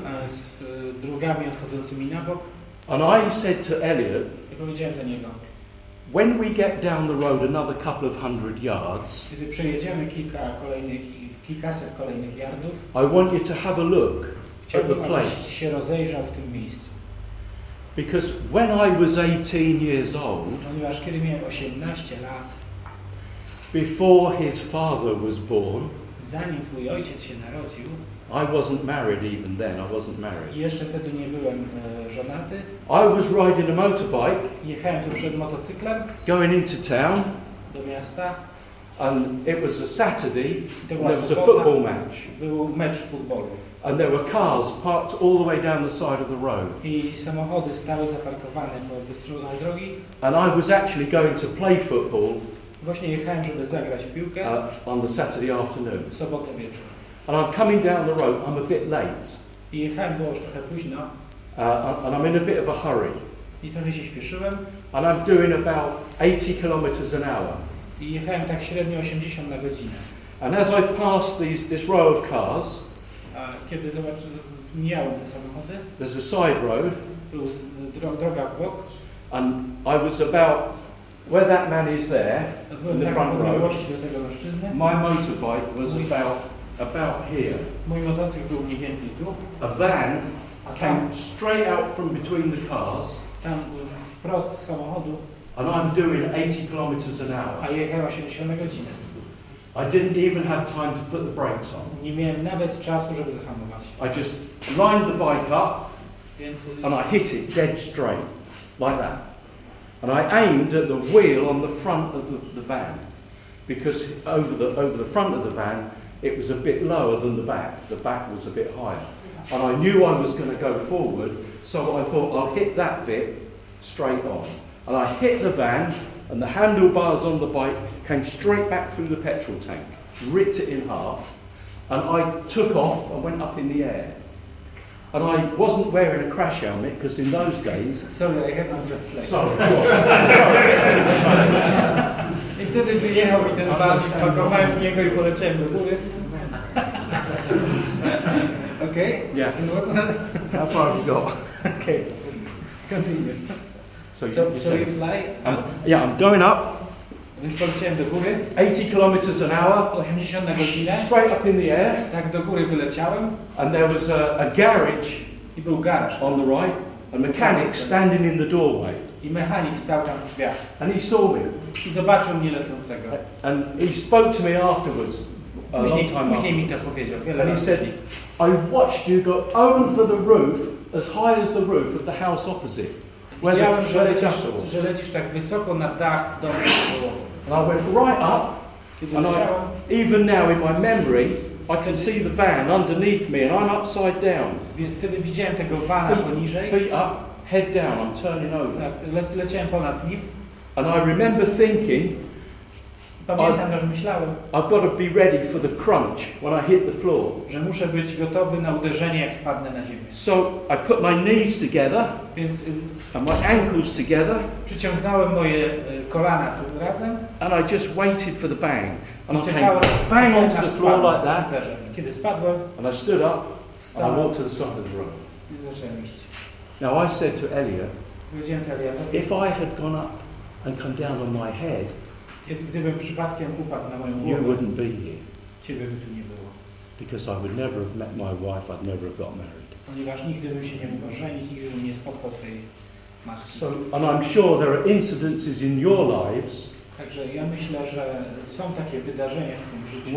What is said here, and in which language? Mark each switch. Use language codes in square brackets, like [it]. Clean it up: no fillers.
[pl] Z drogami odchodzącymi na bok. [en] And I said to Elliot, [pl] I powiedziałem do niego, [en] when we get down the road another couple of hundred yards, [pl] kiedy przejedziemy kilkaset kolejnych yardów, [en] I want you to have a look at the place. [pl] Chciałbym, abyś się rozejrzał w tym miejscu. [en] Because when I was 18 years old, [pl] ponieważ kiedy miałem 18 lat, [en] before his father was born, [pl] zanim twój ojciec się narodził, [en] I wasn't married even then, I wasn't married. [pl] Jeszcze wtedy nie byłem żonaty. [en] I was riding a motorbike. [pl] Jechałem tu przed motocyklem. [en] Going into town. [pl] Do miasta. [en] And it was a Saturday. There was a football match. [pl] Był mecz futbolu. [en] And there were cars parked all the way down the side of the road. [pl] I samochody stały zaparkowane po obu stronach drogi. [en] And I was actually going to play football. [pl] Właśnie jechałem, żeby zagrać w piłkę. [en] On the Saturday afternoon. [pl] W sobotę wieczorem. [en] And I'm coming down the road, I'm a bit late. [pl] I jechałem było już trochę późno. [en] And I'm in a bit of a hurry. [pl] I trochę się śpieszyłem. [en] And I'm doing about 80 kilometers an hour. [pl] I jechałem tak średnio 80 na godzinę. [en] And as I passed this row of cars, [pl] kiedy mijałem te samochody, [en] there's a side road. [pl] Był droga w bok. [en] And I was about where that man is there, in the front row, [pl] do tego mężczyzny. [en] My motorbike was about here. [pl] Mój motocykl był mniej więcej tu. [en] A van came straight out from between the cars. [pl] Tam wprost z samochodu. [en] And I'm doing 80 kilometers an hour. [pl] A jechałem 80 na godzinę. [en] I didn't even have time to put the brakes on. [pl] Nie miałem nawet czasu, żeby zahamować. [en] I just lined the bike up. [pl] Więc [en] and I hit it dead straight. Like that. And I aimed at the wheel on the front of the van. Because over the front of the van, it was a bit lower than the back. The back was a bit higher. And I knew I was going to go forward, so I thought I'll hit that bit straight on. And I hit the van, and the handlebars on the bike came straight back through the petrol tank, ripped it in half, and I took off and went up in the air. And I wasn't wearing a crash helmet, because in those days... Sorry, I have not dressed like that. Sorry, go on. [pl] I wtedy wyjechał mi ten bardziej, pakowałem w niego i poleciałem do góry. [en] Okay? Yeah. And what? How far have you got? Okay. Continue. So you fly? I'm going up. [pl] Więc poleciałem do góry. [en] 80 kilometers an hour. [pl] 80 na godzinę. [en] Straight up in the air. [pl] Tak do góry wyleciałem. [en] And there was a garage. [pl] I był garaż. [en] On the right. A mechanic standing in the doorway. [pl] I mechanik stał tam w drzwiach. [en] And he saw me. [pl] I zobaczył mnie lecącego. [en] And he spoke to me afterwards. [pl] Później mi to powiedział. [en] And he said, I watched you go over the roof, as high as the roof of the house opposite. [pl] Widziałem, że lecisz tak wysoko na dach domu. [en] And I went right up. And even now in my memory, I can see the van underneath me, and I'm upside down. [pl] Więc wtedy widziałem tego vana poniżej. [en] Feet up, head down, I'm turning over. [pl] Leciałem ponad nim. [en] And I remember thinking, [pl] pamiętam, że myślałem, [en] I've got to be ready for the crunch when I hit the floor. [pl] Że muszę być gotowy na uderzenie, jak spadnę na ziemię. [en] So I put my knees together, [pl] więc, [en] and my ankles together. [pl] Przyciągnąłem moje kolana tym razem. [en] And I just waited for the bang. And I came bang onto the floor like that. [pl] Kiedy spadłem, [en] and I stood up, and I walked to the side of the room. Now I said to Elliot, if I had gone up and come down on my head, [pl] gdybym przypadkiem upadł na moją głowę, [en] you wouldn't be here. [pl] Ciebie by tu nie było. [en] Because I would never have met my wife, I'd never have got married. [pl] Ponieważ nigdy bym się nie mógł żenić, nigdy bym nie spotkał tej matki. [en] So, and I'm sure there are incidences in your lives. [pl] Także ja myślę, że są takie wydarzenia w tym życiu.